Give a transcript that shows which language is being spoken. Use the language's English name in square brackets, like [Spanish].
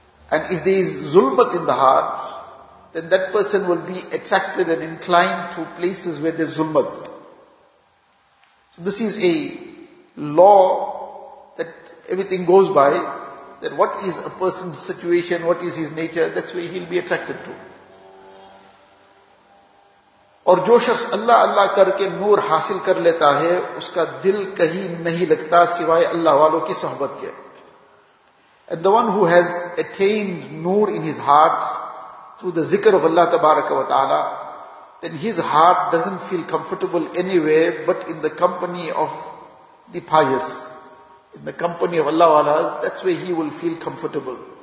[English] And if there is zulmat in the heart, then that person will be attracted and inclined to places where there's zulmat. So this is a law that everything goes by, that what is a person's situation, what is his nature, that's where he'll be attracted to. [Urdu] اور جو شخص اللہ اللہ کر کے نور حاصل کر لیتا ہے اس کا دل کہیں نہیں لگتا سوائے اللہ والوں کی صحبت کے. [English] And the one who has attained noor in his heart through the zikr of Allah تبارک و تعالی, then his heart doesn't feel comfortable anywhere but in the company of the pious, in the company of Allah والا, that's where he will feel comfortable.